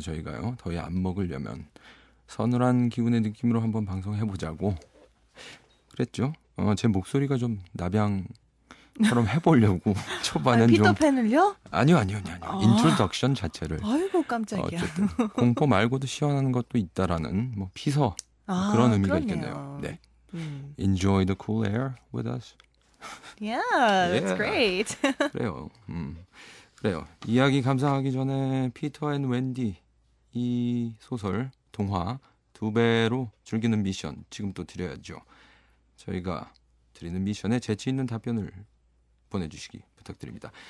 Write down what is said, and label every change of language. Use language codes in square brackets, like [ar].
[ko] 저희가요 더위 안 먹으려면 서늘한 기운의 느낌으로 한번 방송해보자고 그랬죠. 제 목소리가 좀 나비앙처럼 해보려고 초반엔 좀 피터팬을요? 아니요 인트로덕션 자체를 아이고 깜짝이야. 어쨌든 공포 말고도 시원한 것도 있다라는 뭐 피서 그런 의미가 그러네요. 있겠네요. 네. [en] Enjoy the cool air with us. Yeah, that's great. [ko] 그래요. 그래요. 이야기 감상하기 전에 피터 앤 웬디 이 소설 동화 두 배로 즐기는 미션 지금 또 드려야죠. 저희가 드리는 미션에 재치 있는 답변을 보내주시기 부탁드립니다.